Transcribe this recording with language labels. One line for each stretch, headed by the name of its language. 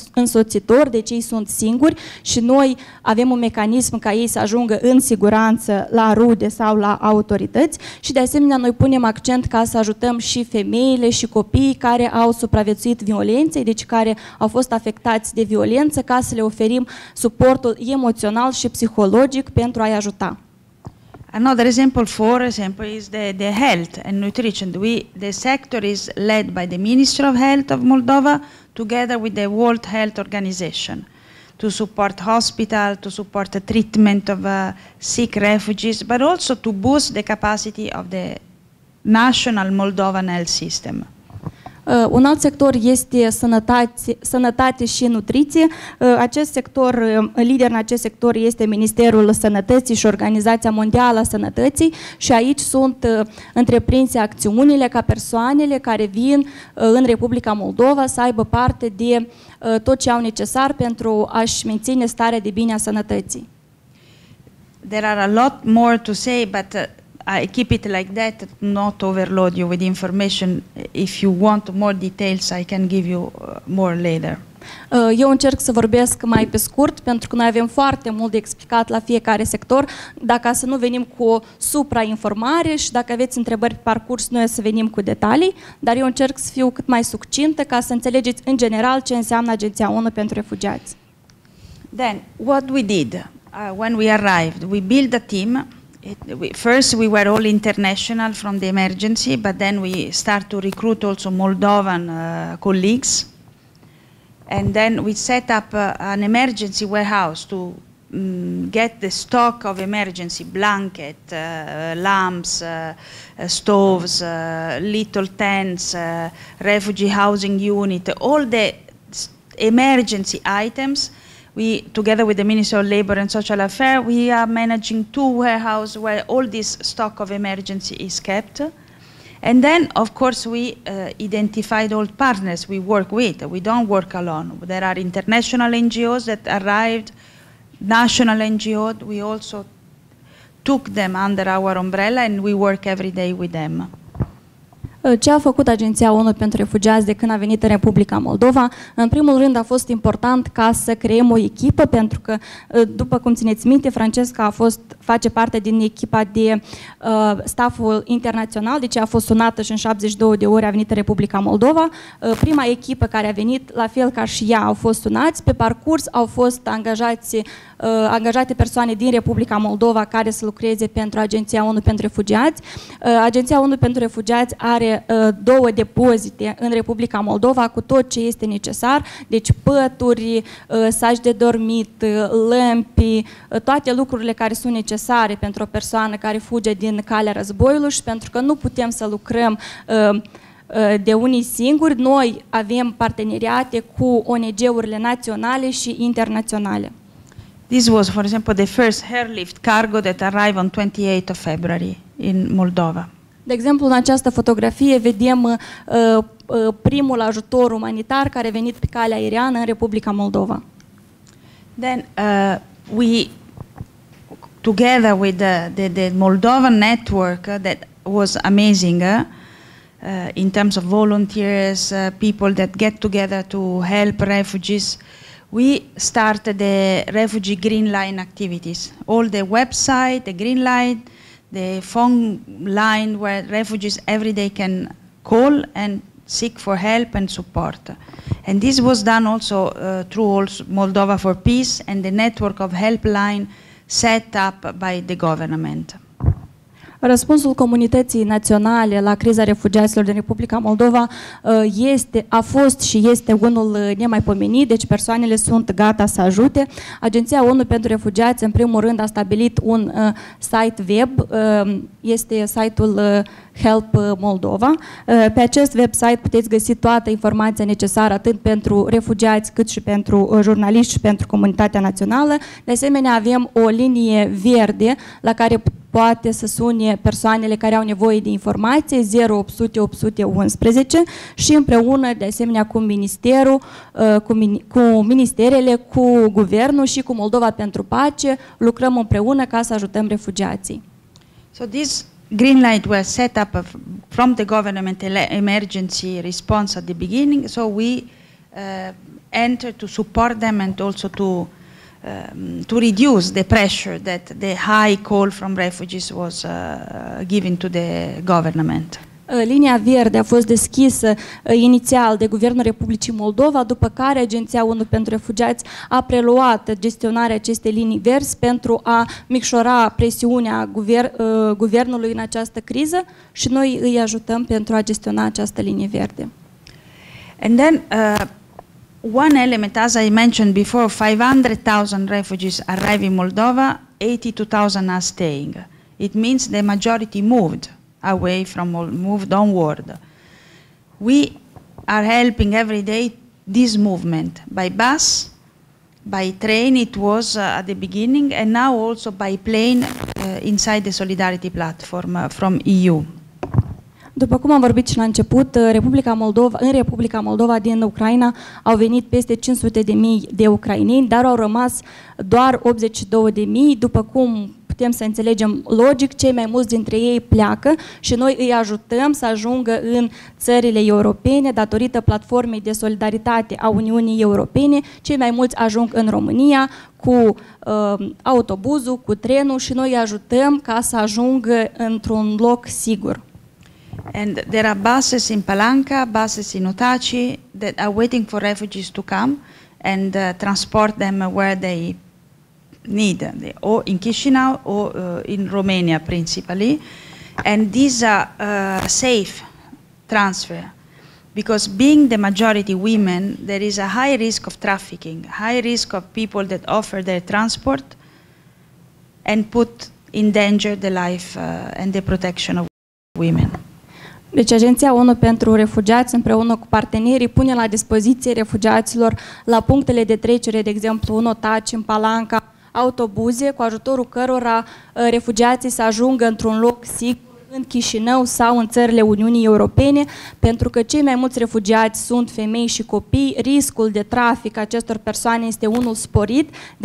Romanian: însoțitor, deci ei sunt singuri și noi avem un mecanism ca ei să ajungă în siguranță la rude sau la autorități și de asemenea noi punem accent ca să ajutăm și femeile și copiii care au supraviețuit violenței, deci care au fost afectați de violență, ca să le oferim suportul emoțional și psihologic pentru a-i ajuta.
English: Another example, for example, is the health and nutrition. The sector is led by the Ministry of Health of Moldova together with the World Health Organization to support hospital, to support the treatment of sick refugees, but also to boost the capacity of the national Moldovan health system.
Romanian: Un alt sector este sănătate și nutriție. Acest sector, lider în acest sector este Ministerul Sănătății și Organizația Mondială a Sănătății și aici sunt întreprinse acțiunile ca persoanele care vin în Republica Moldova să aibă parte de tot ce au necesar pentru a-și menține starea de bine a sănătății.
English: There are a lot more to say, but I keep it like that, not overload you with information. If you want more details, I can give you more later.
Romanian: Eu încerc să vorbesc mai pe scurt, pentru că noi avem foarte mult de explicat la fiecare sector, dacă să nu venim cu supra-informare și dacă aveți întrebări pe parcurs, noi o să venim cu detalii, dar eu încerc să fiu cât mai succintă ca să înțelegeți în general ce înseamnă Agenția ONU pentru Refugiați.
English: Then, what we did when we arrived, we built a team. First, we were all international from the emergency, but then we start to recruit also Moldovan colleagues. And then we set up an emergency warehouse to get the stock of emergency blanket, lamps, stoves, little tents, refugee housing unit, all the emergency items. We, together with the Minister of Labor and Social Affairs, we are managing two warehouses where all this stock of emergency is kept. And then, of course, we identified all partners we work with. We don't work alone. There are international NGOs that arrived, national NGOs. We also took them under our umbrella and we work every day with them.
Romanian: Ce a făcut Agenția ONU pentru Refugiați de când a venit în Republica Moldova? În primul rând a fost important ca să creăm o echipă, pentru că, după cum țineți minte, Francesca a fost, face parte din echipa de staful internațional, deci a fost sunată și în 72 de ore a venit în Republica Moldova. Prima echipă care a venit, la fel ca și ea, au fost sunați. Pe parcurs au fost angajate persoane din Republica Moldova care să lucreze pentru Agenția ONU pentru Refugiați. Agenția ONU pentru Refugiați are două depozite în Republica Moldova cu tot ce este necesar, deci pături, saci de dormit, lămpi, toate lucrurile care sunt necesare pentru o persoană care fuge din calea războiului și pentru că nu putem să lucrăm de unii singuri, noi avem parteneriate cu ONG-urile naționale și internaționale.
English: This was, for example, the first airlift cargo that arrived on 28 of February in Moldova.
Romanian: De exemplu, în această fotografie vedem primul ajutor umanitar care a venit pe calea aeriană în Republica Moldova.
English: Then we together with the Moldovan network that was amazing in terms of volunteers, people that get together to help refugees, we started the refugee green line activities. All the website, the green line, the phone line where refugees every day can call and seek for help and support. And this was done also through also Moldova for Peace and the network of helpline set up by the government.
Romanian: Răspunsul comunității naționale la criza refugiaților din Republica Moldova este, a fost și este unul nemaipomenit, deci persoanele sunt gata să ajute. Agenția ONU pentru Refugiați, în primul rând, a stabilit un site web, este site-ul Help Moldova. Pe acest website puteți găsi toată informația necesară atât pentru refugiați cât și pentru jurnaliști și pentru comunitatea națională. De asemenea, avem o linie verde la care poate să sune persoanele care au nevoie de informație, 0800 811, și împreună, de asemenea, cu ministerul, cu ministerele, cu guvernul și cu Moldova pentru Pace, lucrăm împreună ca să ajutăm refugiații.
English: So this green light was set up from the government emergency response at the beginning, so we entered to support them and also to reduce the pressure that the high call from refugees was given to the government.
Romanian: Linia verde a fost deschisă inițial de Guvernul Republicii Moldova, după care Agenția ONU pentru Refugiați a preluat gestionarea acestei linii verzi pentru a micșora presiunea guvernului în această criză și noi îi ajutăm pentru a gestiona această linie verde.
English: And then One element, as I mentioned before, 500,000 refugees arrive in Moldova, 82,000 are staying. It means the majority moved away from, moved onward. We are helping every day this movement by bus, by train, it was at the beginning, and now also by plane inside the Solidarity Platform from EU.
Romanian: După cum am vorbit și la început, Republica Moldova, în Republica Moldova din Ucraina au venit peste 500.000 de ucraineni, dar au rămas doar 82.000. După cum putem să înțelegem logic, cei mai mulți dintre ei pleacă și noi îi ajutăm să ajungă în țările europene datorită platformei de solidaritate a Uniunii Europene. Cei mai mulți ajung în România cu autobuzul, cu trenul și noi îi ajutăm ca să ajungă într-un loc sigur.
English: And there are buses in Palanca, buses in Otaci that are waiting for refugees to come and transport them where they need, or in Chișinău or in Romania principally. And these are safe transfer because being the majority women, there is a high risk of trafficking, high risk of people that offer their transport and put in danger the life and the protection of women.
Romanian: Deci Agenția ONU pentru Refugiați împreună cu partenerii pune la dispoziție refugiaților la punctele de trecere, de exemplu în Otaci, în Palanca, autobuze cu ajutorul cărora refugiații să ajungă într-un loc sigur în Chișinău sau în țările Uniunii Europene, pentru că cei mai mulți refugiați sunt femei și copii, riscul de trafic acestor persoane este unul sporit,